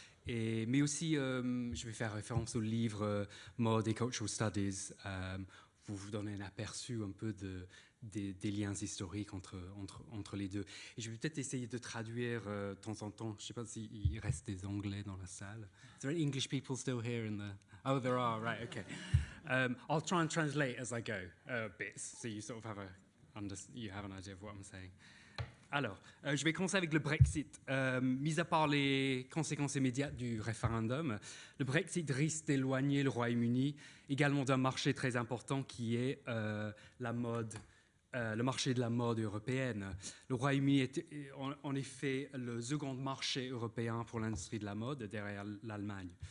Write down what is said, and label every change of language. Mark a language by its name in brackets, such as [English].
[French] Mais aussi, je vais faire référence au livre Mode and Cultural Studies, pour vous donner un aperçu un peu des liens historiques entre les deux. Et je vais peut-être essayer de traduire de temps en temps. Je ne sais pas s'il reste des Anglais dans la salle. [English] Is there any English people still here in the? Oh, there are. Right. Okay. I'll try and translate as I go, bits, so you sort of have you have an idea of what I'm saying. [French] Alors, je vais commencer avec le Brexit. Mis à part les conséquences immédiates du référendum, le Brexit risque d'éloigner le Royaume-Uni également d'un marché très important qui est la mode, le marché de la mode européenne. Le Royaume-Uni est en effet le second marché européen pour l'industrie de la mode derrière l'Allemagne.